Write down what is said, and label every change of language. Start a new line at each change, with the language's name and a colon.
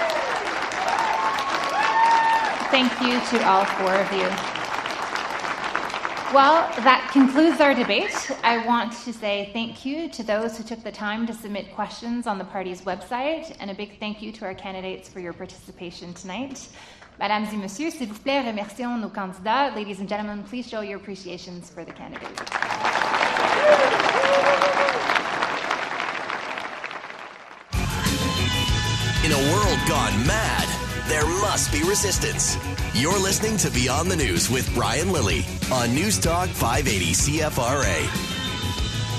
English: Thank you to all four of you. Well, that concludes our debate. I want to say thank you to those who took the time to submit questions on the party's website, and a big thank you to our candidates for your participation tonight.
French: Mesdames et messieurs, s'il vous plaît, remercions nos candidats.
English: Ladies and gentlemen, please show your appreciations for the candidates. In a world gone mad, there must be resistance. You're listening to Beyond the News with Brian Lilly on News Talk 580 CFRA.